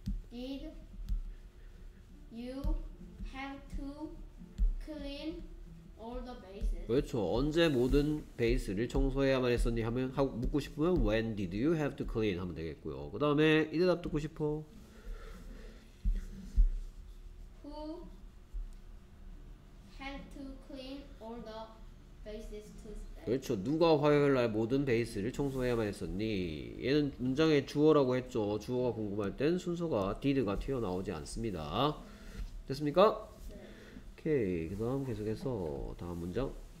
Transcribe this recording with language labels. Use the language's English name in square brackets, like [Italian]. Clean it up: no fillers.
[English] Did you have to clean [Korean] 그렇죠. 언제 모든 베이스를 청소해야만 했었니 하면 하고 묻고 싶으면 [English] when did you have to clean [Korean] 하면 되겠고요. 그 다음에 이 대답 듣고 싶어. [English] Who had to clean all the bases Tuesday? [Korean] 그렇죠. 누가 화요일날 모든 베이스를 청소해야만 했었니? 얘는 문장의 주어라고 했죠. 주어가 궁금할 땐 순서가 did가 튀어나오지 않습니다. 됐습니까? 오케이. 그 다음 계속해서 다음 문장.